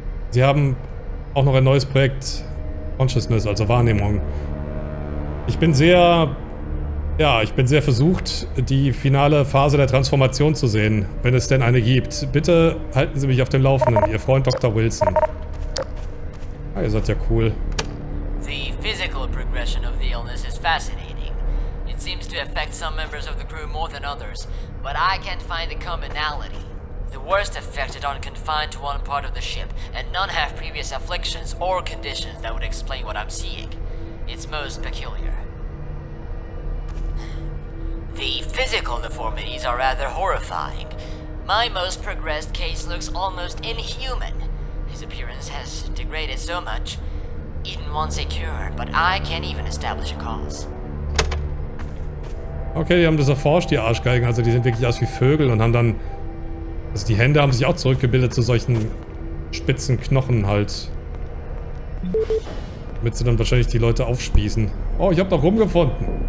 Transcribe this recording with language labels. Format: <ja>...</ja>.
<de>Sie haben auch noch ein neues Projekt, Consciousness, also Wahrnehmung. Ich bin sehr versucht, die finale Phase der Transformation zu sehen, wenn es denn eine gibt. Bitte halten Sie mich auf dem Laufenden, Ihr Freund Dr. Wilson. Ah, ihr seid ja cool.</de> <en>The physical progression of the illness is fascinating. It seems to affect some members of the crew more than others, but I can't find the commonality. The worst affected are confined to one part of the ship, and none have previous afflictions or conditions that would explain what I'm seeing. It's most peculiar. The physical deformities are rather horrifying. My most progressed case looks almost inhuman. His appearance has degraded so much. Even wants a cure, but I can't even establish a cause.</en> <de>Okay, die haben das erforscht, die Arschgeigen. Also die sind wirklich aus wie Vögel und haben dann... Also die Hände haben sich auch zurückgebildet zu solchen spitzen Knochen halt. Damit sie dann wahrscheinlich die Leute aufspießen. Oh, ich hab noch rumgefunden.</de>